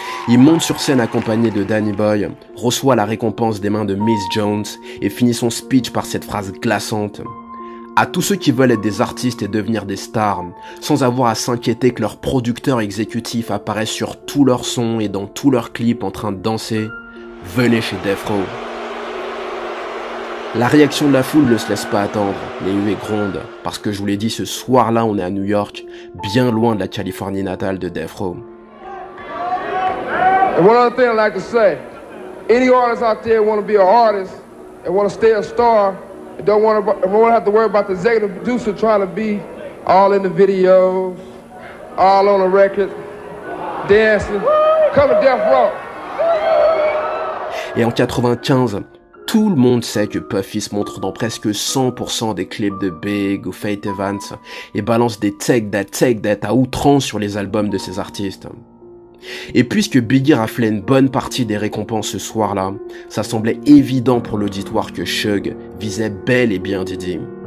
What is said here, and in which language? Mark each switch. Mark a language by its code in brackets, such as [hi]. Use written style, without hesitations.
[fr] Il monte sur scène accompagné de Danny Boy, reçoit la récompense des mains de Miss Jones et finit son speech par cette phrase glaçante: à tous ceux qui veulent être des artistes et devenir des stars, sans avoir à s'inquiéter que leur producteur exécutif apparaisse sur tous leurs sons et dans tous leurs clips en train de danser, venez chez Death Row. La réaction de la foule ne se laisse pas attendre, les huées grondent, parce que je vous l'ai dit, ce soir-là on est à New York, bien loin de la Californie natale de Death Row. [en] And one other thing I'd like to say, any artist out there want to be an artist and want to stay a star and don't want to have to worry about the executive producer trying to be all in the videos, all on the record, dancing, come to Death Row. [fr] Et en 95, tout le monde sait que Puffy se montre dans presque 100% des clips de Big ou Faith Evans et balance des [en] take that [fr] à outrance sur les albums de ses artistes. Et puisque Biggie raflait une bonne partie des récompenses ce soir-là, ça semblait évident pour l'auditoire que Shug visait bel et bien Diddy.